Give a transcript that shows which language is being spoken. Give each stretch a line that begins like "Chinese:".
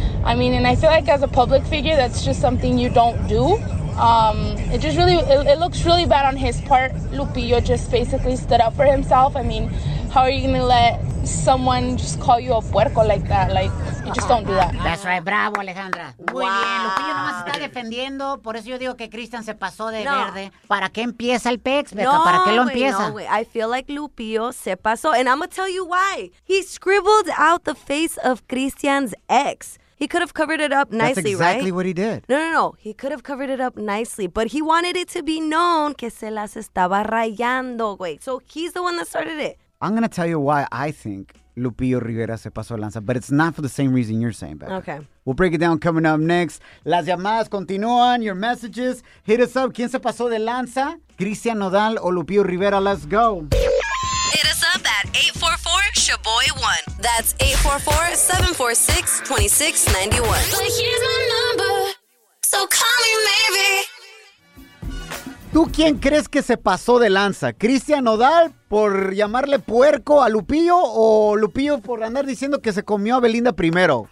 English: I mean, and I feel like as a public figure, that's just something you don't do. It looks really bad on his part. Lupillo just basically stood up for himself. I mean, how are you gonna let someone just call you a puerco like that? Like, you just don't do that. That's right.
Spanish: Bravo, Alejandra. Wow. Muy bien. Lupillo nomás está defendiendo. Por eso yo digo que Cristian se pasó de verde. ¿Para qué empieza el pex, Beca? ¿Para qué lo empieza?
English: No, wait. I feel like Lupillo
Spanish: se pasó.
English: And I'm gonna tell you why. He scribbled out the face of Cristian's ex. He could have covered it up nicely, right? That's exactly right? What he did. No. He could have covered it up nicely, but he wanted it to be known
Spanish: que se las estaba rayando, güey.
English: So he's the one that started it. I'm going to tell you why I think Lupillo Rivera
Spanish: se pasó a lanza,
English: but it's not for the same reason you're saying, Becca. Okay. We'll break it down coming up next.
Spanish: Las llamadas continúan,
English: your messages. Hit us up.
Spanish: ¿Quién se pasó de lanza? Cristian Nodal o Lupillo Rivera.
English: Let's go. Hit us up at 844-SHABOY1. That's 844-746-2691. But here's my number, so call me maybe.
Spanish: ¿Tú quién crees que se pasó de lanza? ¿Cristian Nodal por llamarle puerco a Lupillo o Lupillo por andar diciendo que se comió a Belinda primero?